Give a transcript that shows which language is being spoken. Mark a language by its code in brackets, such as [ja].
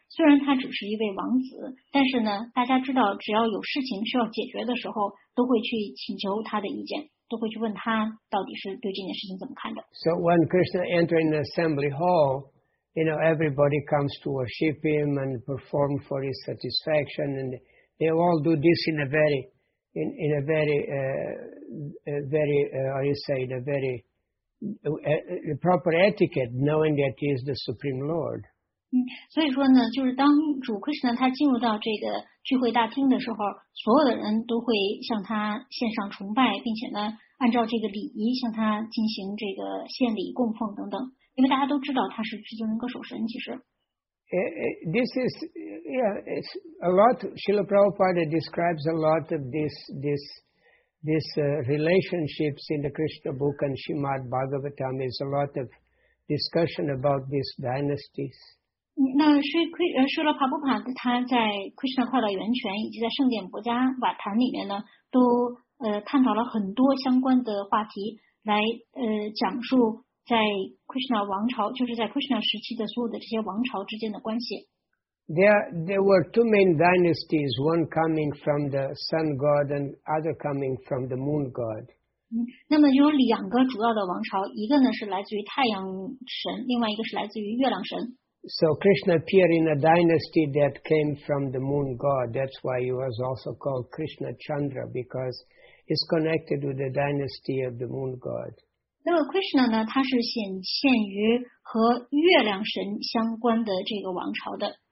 [zh] 虽然他只是一位王子，但是呢，大家知道只要有事情需要解决的时候，都会去请求他的意见。都会去问他到底是对这件事情怎么看的。 [en] So when Krishna enters in the assembly hall, you know, everybody comes to worship him and perform for his satisfaction, and they all do this in a very proper etiquette, knowing that he is the Supreme Lord. [zh] 所以说呢，就是当主 Krishna 他进入到这个聚会大厅的时候，所有的人都会向他献上崇拜，并且呢，按照这个礼仪向他进行这个献礼、供奉等等。因为大家都知道他是至尊歌手神，其实。 [en] It's a lot. Srila Prabhupada describes a lot of this relationships in the Krishna book and Srimad Bhagavatam. There's a lot of discussion about these dynasties. [zh] 那是了帕布帕他在 Krishna 快乐源泉以及在圣殿伯加瓦坛里面呢都探讨了很多相关的话题来讲述在 Krishna 王朝，就是在 Krishna 时期的所有的这些王朝之间的关系。 [en] There were two main dynasties, one coming from the sun god and other coming from the moon god. [zh] 那么有两个主要的王朝，一个呢是来自于太阳神，另外一个是来自于月亮神。 [en] So Krishna appeared in a dynasty that came from the moon god. That's why he was also called Krishna Chandra, because he's connected with the dynasty of the moon god. [zh] 那么 Krishna 呢，他是显现于和月亮神相关的这个王朝的。